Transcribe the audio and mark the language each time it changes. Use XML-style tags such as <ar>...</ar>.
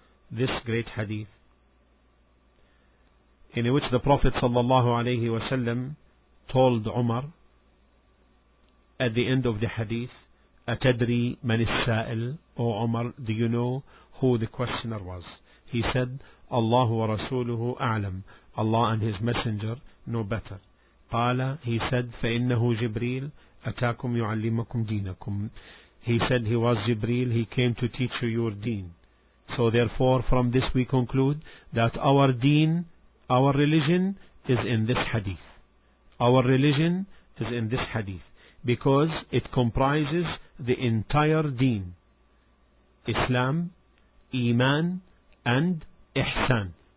<en>This great hadith, in which the Prophet sallallahu alayhi wa sallam told Umar, at the end of the hadith,</en> <ar>أتدري من السائل,</ar> <en>O Umar, do you know who the questioner was? He said,</en> <ar>Allah wa rasuluhu a'lam,</ar> <en>Allah and his messenger know better.</en> <ar>قال,</ar> <en>he said,</en> <ar>فإنه جبريل أتاكم يعلمكم دينكم.</ar> <en>He said, he was Jibreel, he came to teach you your deen. So therefore, from this we conclude that our deen, our religion is in this hadith. Our religion is in this hadith, because it comprises the entire deen, Islam, Iman, and Ihsan.</en>